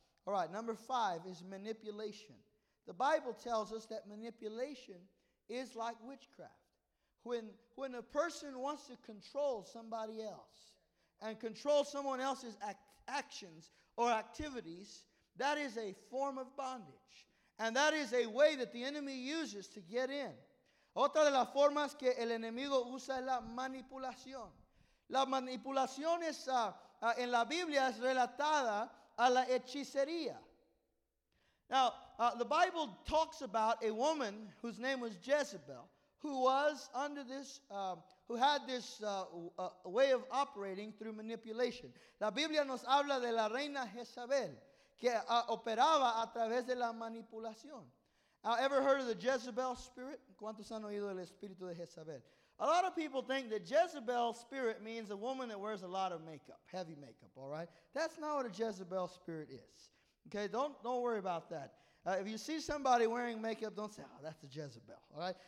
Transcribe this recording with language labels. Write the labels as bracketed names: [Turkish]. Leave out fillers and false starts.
[English] All right, number five is manipulation. The Bible tells us that manipulation is like witchcraft. When a person wants to control somebody else and control someone else's actions or activities, that is a form of bondage. And that is a way that the enemy uses to get in. [Spanish] Otra de las formas que el enemigo usa es la manipulación. La manipulación es, en la Biblia es relatada a la hechicería. [English] Now, the Bible talks about a woman whose name was Jezebel, who was under this, who had this way of operating through manipulation. [Spanish] La Biblia nos habla de la reina Jezabel, que operaba a través de la manipulación. [English] Ever heard of the Jezebel spirit? [Spanish] ¿Cuántos han oído el espíritu de Jezabel? [English] A lot of people think that Jezebel spirit means a woman that wears a lot of makeup, heavy makeup, all right? That's not what a Jezebel spirit is. Okay, don't worry about that. If you see somebody wearing makeup, don't say, oh, that's a Jezebel, all right?